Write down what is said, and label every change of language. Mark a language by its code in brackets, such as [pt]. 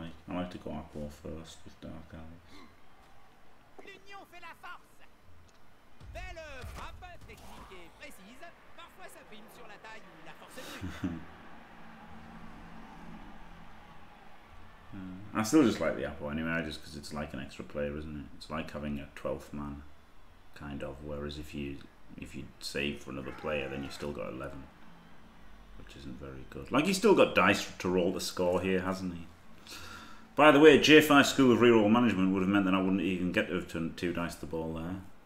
[en] I like to go up all first with Dark Elves. [fr] L'union fait la force. Belle frappe, technique et précise. Parfois ça prime sur la taille ou la force. [en] I still just like the Apple anyway, just because it's like an extra player, isn't it? It's like having a 12th man, kind of. Whereas if you save for another player, then you still got 11, which isn't very good. Like, he's still got dice to roll the score here, hasn't he? By the way, J5 School of Reroll Management would have meant that I wouldn't even get to have turned 2 dice the ball there.